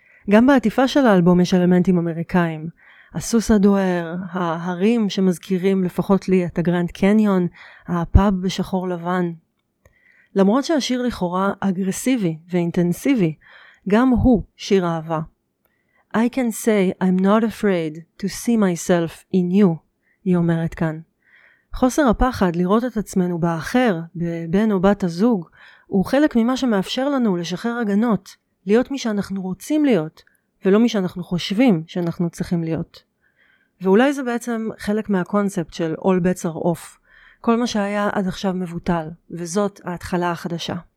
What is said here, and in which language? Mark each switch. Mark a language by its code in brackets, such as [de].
[he] גם בעטיפה של האלבום יש אלמנטים אמריקאים, הסוס הדוהר, ההרים שמזכירים לפחות לי את הגרנד קניון, הפאב בשחור לבן. למרות שהשיר לכאורה אגרסיבי ואינטנסיבי, גם הוא שיר אהבה. [en] I can say I'm not afraid to see myself in you, [he] היא אומרת כאן. חוסר הפחד לראות את עצמנו באחר, בבן או בת הזוג, הוא חלק ממה שמאפשר לנו לשחרר הגנות, להיות מי שאנחנו רוצים להיות, ולא מי שאנחנו חושבים שאנחנו צריכים להיות. ואולי זה בעצם חלק מהקונספט של All Bets Are Off, כל מה שהיה עד עכשיו מבוטל, וזאת ההתחלה החדשה.